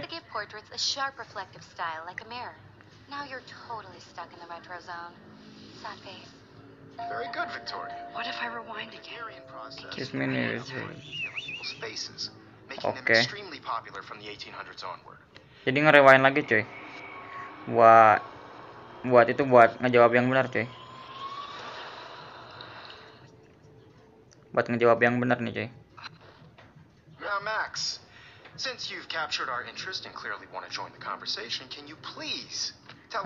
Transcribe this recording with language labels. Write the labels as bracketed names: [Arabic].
[English] The portraits a sharp reflective style like a mirror. Now you're totally stuck in the retro zone. sad face. Very good, Victoria. What if I rewind again? Kiss me in the faces, making them extremely popular from the 1800s onward. [Indonesian] Jadi ngerewain lagi, cuy. Buat itu buat ngejawab yang benar, cuy. Buat ngejawab yang benar nih, cuy. [English] Now, Max, since you've captured our interest and clearly want to join the conversation, can you please tell us?